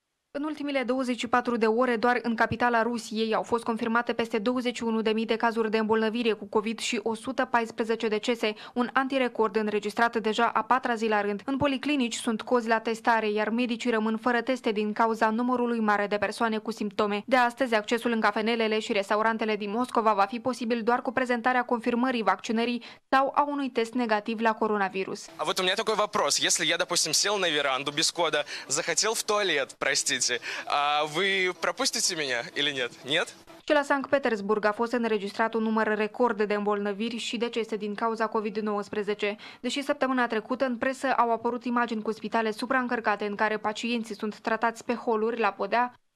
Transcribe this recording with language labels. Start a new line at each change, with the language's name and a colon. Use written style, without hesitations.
Romanian: În ultimile 24 de ore, doar în capitala Rusiei au fost confirmate peste 21.000 de cazuri de îmbolnăvire cu COVID și 114 decese, un antirecord înregistrat deja a patra zi la rând. În policlinici sunt cozi la testare, iar medicii rămân fără teste din cauza numărului mare de persoane cu simptome. De astăzi, accesul în cafenelele și restaurantele din Moscova va fi posibil doar cu prezentarea confirmării vaccinării sau a unui test negativ la coronavirus. A avut un
Russian: такой вопрос: если я, допустим, сел на веранду без кода, захотел в туалет, прости. А вы пропустите меня или нет? Нет?
Romanian: Și la Sankt Petersburg a fost înregistrat un număr record de îmbolnăviri și decese din cauza COVID-19. Deși săptămâna trecută în presă au apărut imagini cu spitale supraîncărcate în care pacienții sunt tratați pe holuri la podea.